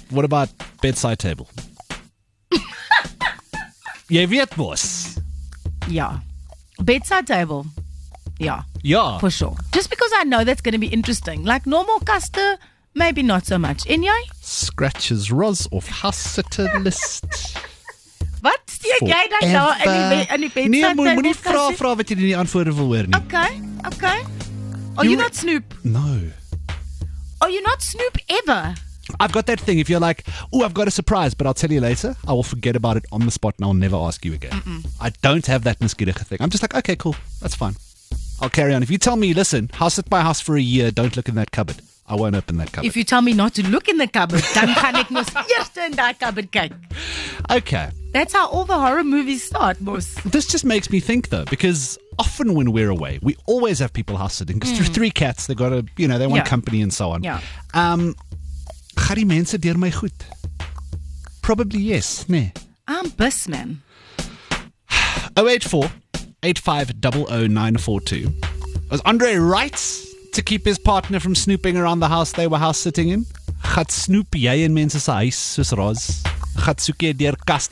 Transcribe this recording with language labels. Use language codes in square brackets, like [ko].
[en] What about bedside table? [af] Jy weet mos. Ja. Bedside table. Ja. Ja. [en] For sure. Just because I know that's going to be interesting. Like normal kaste, maybe not so much. [af] En jy? [en] Scratches Roz off house sitter list. [af] Wat steek jy dan daar in die bedside table? Nee, moenie vra wat jy in die antwoorde wil hoor nie. [en] Okay. Are you not snoop? No. Are you not snoop ever? I've got that thing. If you're like, oh, I've got a surprise, but I'll tell you later, I will forget about it on the spot and I'll never ask you again. Mm-mm. I don't have that nuskierige thing. I'm just like, okay, cool. That's fine. I'll carry on. If you tell me, listen, house at my house for a year, don't look in that cupboard, I won't open that cupboard. If you tell me not to look in the cupboard, [af] dan gaan ek mos eerste in die cupboard kyk. [en] Okay. That's how all the horror movies start, Mos. This just makes me think, though, because often when we're away, we always have people house-sitting. Because there's three cats, they've got a, you know, they want company and so on. Yeah. [af] Gaan die mense deur my goed? [en] Probably yes, nee. I'm bus, man. 084-850-0942. Was Andre right to keep his partner from snooping around the house they were house sitting in? [af] Gaat snoop jy in mense se huis soos Roz? Gaat soek jy deur kaste?